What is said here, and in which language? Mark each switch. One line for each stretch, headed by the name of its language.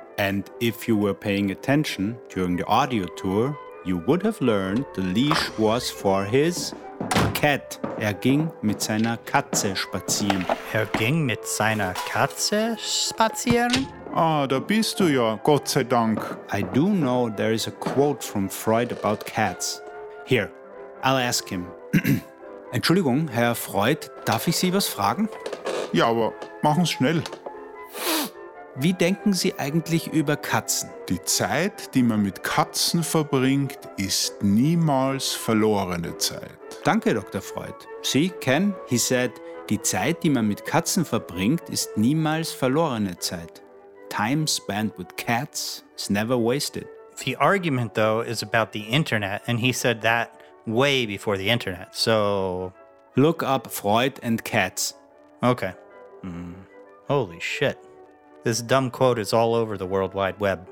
English: And if you were paying attention during the audio tour, you would have learned the leash was for his cat.
German: Er ging mit seiner Katze spazieren. Er ging mit seiner Katze spazieren? Ah, da bist du ja, Gott sei Dank.
English: I do know there is a quote from Freud about cats. Here, I'll ask him.
German: Entschuldigung, Herr Freud, darf ich Sie was fragen? Ja, aber machen Sie schnell. Wie denken Sie eigentlich über Katzen? Die Zeit, die man mit Katzen verbringt, ist niemals verlorene Zeit. Danke, Dr. Freud.
English: See, Ken, he said,
German: die Zeit, die man mit Katzen verbringt, ist niemals verlorene Zeit.
English: Time spent with cats is never wasted. The argument, though, is about the internet, and he said that way before the internet, so... Look up Freud and cats. Okay. Mm. Holy shit. This dumb quote is all over the World Wide Web.